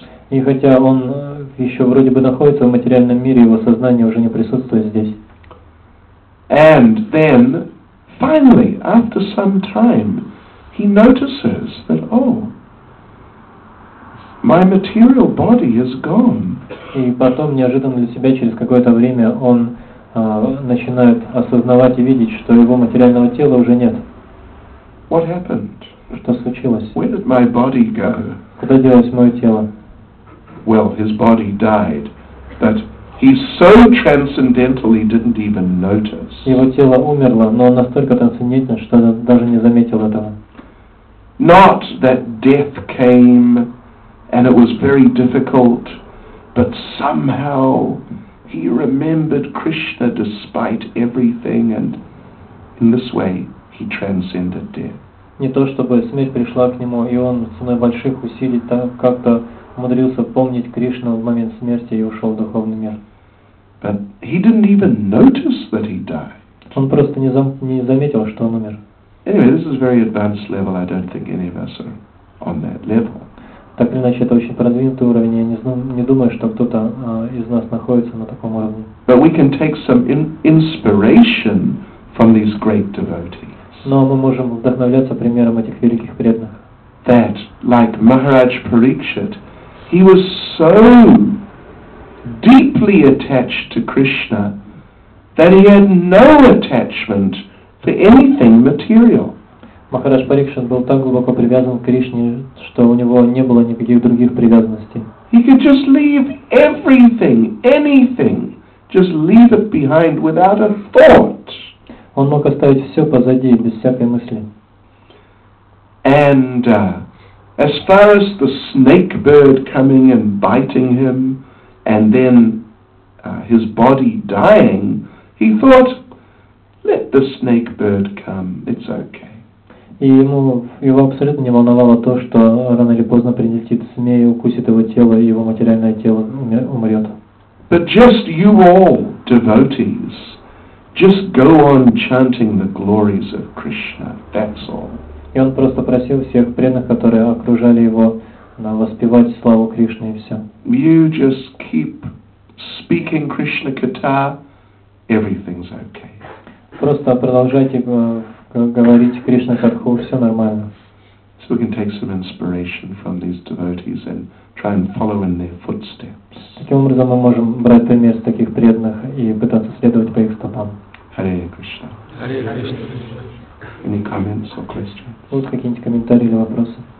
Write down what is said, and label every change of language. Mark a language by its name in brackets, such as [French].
[Russian] И хотя он еще вроде бы находится в материальном мире, его сознание уже не присутствует здесь. [English] And then, finally, after some time, he notices that, oh, my material body is gone. [Russian] И потом, неожиданно для себя, через какое-то время, он начинает осознавать и видеть, что его материального тела уже нет. [English] What happened? [Russian] Что случилось? [English] Where did my body go? [Russian] Куда делось мое тело? [English] Well, his body died, but he so transcendently didn't even notice. [Russian] Его тело умерло, но он настолько трансцендентен, что даже не заметил этого. [English] Not that death came and it was very difficult, but somehow he remembered Krishna despite everything, and in this way he transcended death. [Russian] Не то чтобы смерть пришла к нему, и он ценой больших усилий так как-то умудрился помнить Кришну в момент смерти и ушел в духовный мир. [English] But he didn't even notice that he died. [Russian] Он просто не заметил, что он умер. [English] Anyway, this is very advanced level. I don't think any of us are on that level. [Russian] Так или иначе, это очень продвинутый уровень. Я не думаю, что кто-то из нас находится на таком уровне. [English] But we can take some inspiration from these great devotees. [Russian] Но мы можем вдохновляться примером этих великих преданных. [English] That, like Maharaj Parikshit, he was so deeply attached to Krishna that he had no attachment for anything material. [Russian] Maharaj Parikshit был так глубоко привязан к Кришне, что у него не было никаких других привязанностей. [English] He could just leave everything, anything, just leave it behind without a thought. [Russian] Он мог оставить все позади без всякой мысли. [English] And as far as the snake bird coming and biting him, and then his body dying, he thought, let the snake bird come, it's okay. [Russian] И его абсолютно не волновало то, что рано или поздно прилетит змея, укусит его тело, и его материальное тело умрет. [English] But just you all, devotees, just go on chanting the glories of Krishna, that's all. [Russian] И он просто просил всех преданных, которые окружали его, воспевать славу Кришне и все. [English] You just keep speaking Krishna Katha, everything's okay. [Russian] Просто продолжайте говорить Кришна Катху, все нормально. [English] So we can take some inspiration from these devotees and try and follow in their footsteps. [Russian] Таким образом мы можем брать пример с таких преданных и пытаться следовать по их стопам. [Sanskrit] Hare Krishna. Hare Krishna. [English] Any comments or questions? [Russian] Вот какие-нибудь комментарии или вопросы?